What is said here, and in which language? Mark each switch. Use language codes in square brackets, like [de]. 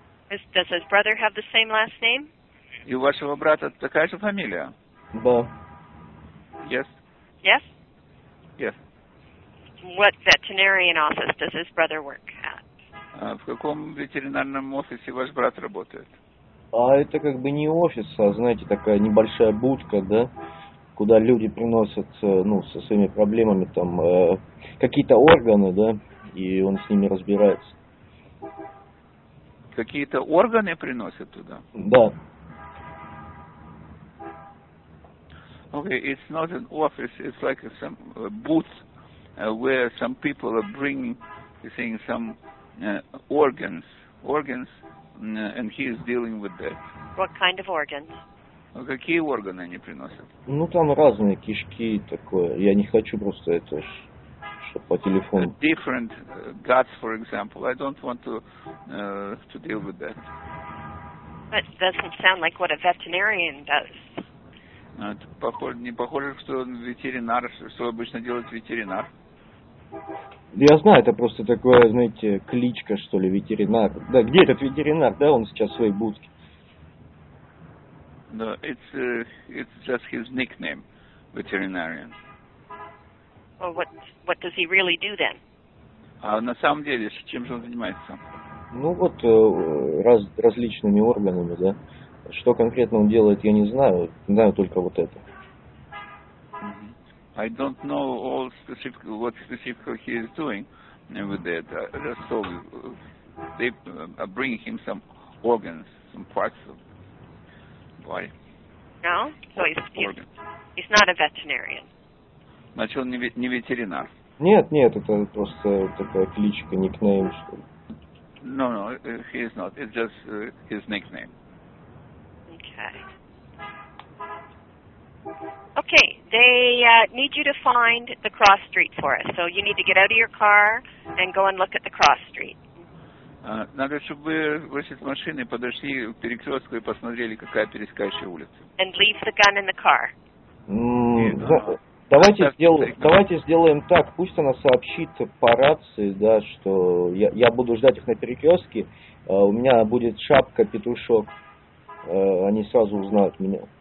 [en] Does his brother have the same last name? [ru] У вашего брата такая же фамилия? Да. [en] Yes? Yes? Yes. What veterinarian office does his brother work at? В каком ветеринарном офисе ваш брат работает? [ru] А это как бы не офис, а знаете, такая небольшая будка, да, куда люди приносят, ну, со своими проблемами там какие-то органы, да, и он с ними разбирается. Какие-то органы приносят туда? Да. [en] Okay, it's not an office, it's like some booth where some people are bringing, you see, some organs, and he is dealing with that. What kind of organs? [ru] Какие органы они приносят? Ну, там разные, кишки такое. Я не хочу просто это, чтобы по телефону... [en] Different guts, for example. I don't want to deal with that. That doesn't sound like what a veterinarian does. [ru] Похоже, не похоже, что он ветеринар, что обычно делает ветеринар. Я знаю, это просто такое, знаете, кличка, что ли, ветеринар. Да, где этот ветеринар, да, он сейчас в своей будке. [en] No, it's just his nickname, veterinarian. Well, what does he really do then? [ru] А на самом деле, чем же он занимается? Ну вот, различными органами, да. Что конкретно он делает, я не знаю. Знаю только вот это. [en] I don't know all specific what specifically he is doing with that. So they are bringing him some organs, some parts of body. No? So he's not a veterinarian. [ru] Значит, он не ветеринар. Нет, нет, это просто такая кличка, никнейм, что ли. [en] No, no, he is not. It's just his nickname. Okay. Okay, they need you to find the cross street for us. So you need to get out of your car and go and look at the cross street. [ru] Надо, чтобы вы вышли из машины, подошли к перекрестку и посмотрели, какая перескакивающая улица. [en] And leave the gun in the car. [ru] Давайте сделаем так, пусть она сообщит по рации, да, что я буду ждать их на перекрестке, у меня будет шапка, петушок, они сразу узнают меня.